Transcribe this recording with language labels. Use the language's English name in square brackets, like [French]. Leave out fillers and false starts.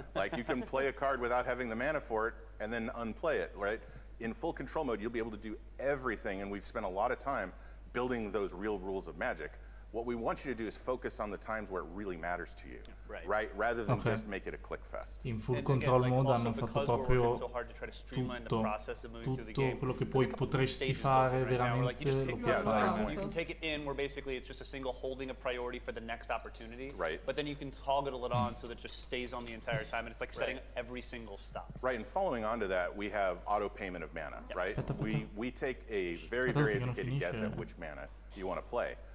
[English] Like, you can play a card without having the mana for it and then unplay it, right? In full control mode, you'll be able to do everything, and we've spent a lot of time building those real rules of Magic. What we want you to do is focus on the times where it really matters to you, right? Rather than just make it a click fest. [Italian] In full control mode hanno fatto proprio tutto, tutto quello che poi potresti fare veramente lo puoi fare. [English] You can take it in where basically it's just a single holding a priority for the next opportunity, right? But then you can toggle it on so that it just stays on the entire time, and it's like setting every single stop. Right, and following on to that, we have auto payment of mana, right? We take a very, very educated guess at which mana you want to play.